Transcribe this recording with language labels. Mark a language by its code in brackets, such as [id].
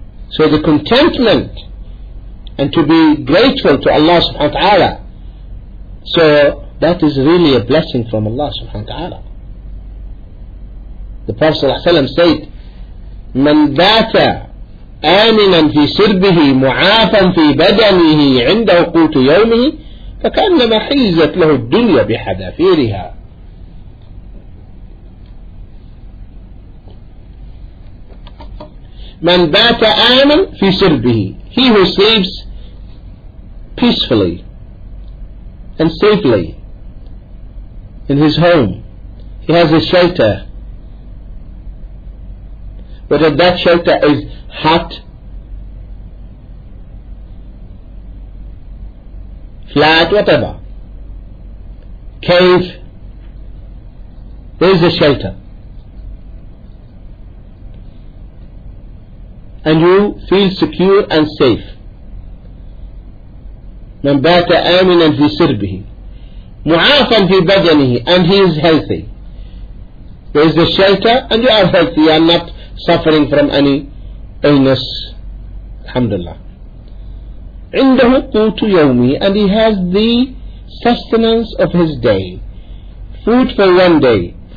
[en] So the contentment and to be grateful to Allah subhanahu wa ta'ala, so that is really a blessing from Allah subhanahu wa ta'ala. The Prophet sallallahu alayhi wa sallam said, [ar] مَنْ ذَاتَ آمِنًا فِي سِرْبِهِ مُعَافًا فِي بَدَنِهِ عِنْدَ وَقُوتُ يَوْمِهِ فَكَأَنَّمَا حِيزَتْ لَهُ الدُّنْيَا بِحَذَافِيرِهَا. مَنْ ذَاتَ آمِنًا فِي سِرْبِهِ, [en] he who sleeps peacefully and safely in his home, he has a shelter, whether that shelter is hut, flat, whatever, cave, there is a shelter, and you feel secure and safe. [ar] من بات آمنا في سربه معافا في بدنه, [en] and he is healthy. There is a shelter and you are healthy, you are not suffering from any illness, alhamdulillah. [ar] عنده قوت يومي, [en] and he has the sustenance of his day, food for one day.